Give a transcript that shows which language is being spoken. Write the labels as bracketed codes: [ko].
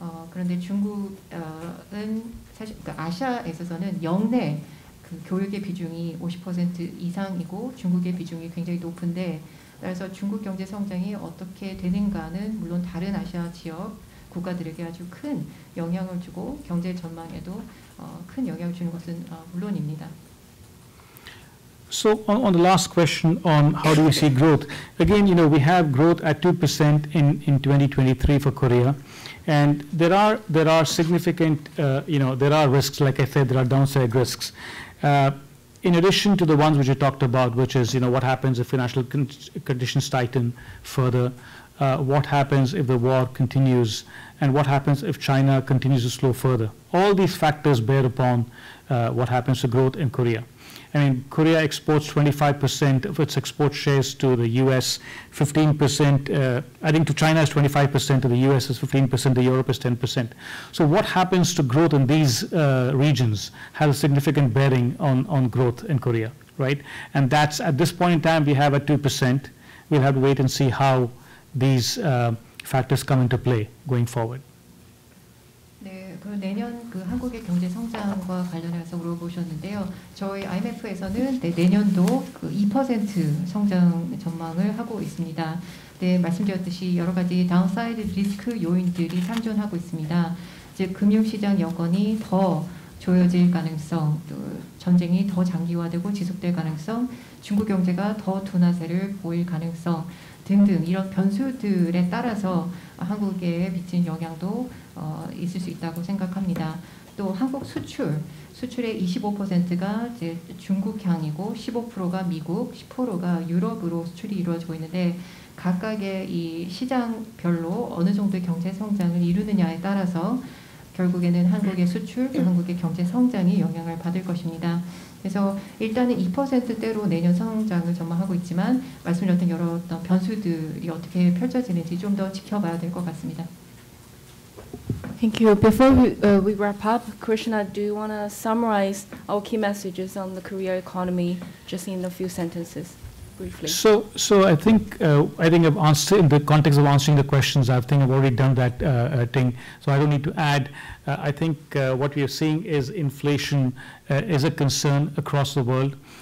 [ko] 그런데 중국은 사실 그러니까 아시아에서는 영내 그 교육의 비중이 50% 이상이고 중국의 비중이 굉장히 높은데 따라서 중국 경제 성장이 어떻게 되는가는 물론 다른 아시아 지역 국가들에게 아주 큰 영향을 주고 경제 전망에도 큰 영향을 주는 것은 물론입니다. [en] So on the last question on how do we see growth, again, you know, we have growth at 2% in 2023 for Korea. And there are significant, there are risks. Like I said, there are downside risks. In addition to the ones which you talked about, which is, you know, what happens if financial conditions tighten further? What happens if the war continues? And what happens if China continues to slow further? All these factors bear upon what happens to growth in Korea. I mean, Korea exports 25% of its export shares to the U.S., 15%, I think to China is 25%, to the U.S. is 15%, to Europe is 10%. So what happens to growth in these regions has a significant bearing on growth in Korea, right? And that's, at this point in time, we have a 2%. We'll have to wait and see how these factors come into play going forward. [ko] 내년 그 한국의 경제 성장과 관련해서 물어보셨는데요. 저희 IMF에서는 네, 내년도 그 2% 성장 전망을 하고 있습니다. 네, 말씀드렸듯이 여러 가지 다운사이드 리스크 요인들이 상존하고 있습니다. 즉 금융시장 여건이 더 조여질 가능성, 또 전쟁이 더 장기화되고 지속될 가능성, 중국 경제가 더 둔화세를 보일 가능성 등등 이런 변수들에 따라서 한국에 미친 영향도 있을 수 있다고 생각합니다. 또 한국 수출의 25%가 이제 중국향이고 15%가 미국, 10%가 유럽으로 수출이 이루어지고 있는데 각각의 이 시장별로 어느 정도 경제 성장을 이루느냐에 따라서 결국에는 한국의 수출, 한국의 경제 성장이 영향을 받을 것입니다. 그래서 일단은 2%대로 내년 성장을 전망하고 있지만 말씀드렸던 여러 어떤 변수들이 어떻게 펼쳐지는지 좀 더 지켜봐야 될 것 같습니다. [en] Thank you. Before we wrap up, Krishna, do you want to summarize our key messages on the Korea economy just in a few sentences, briefly? So I think I've answered in the context of answering the questions. I think I've already done that thing, so I don't need to add. I think what we are seeing is inflation is a concern across the world.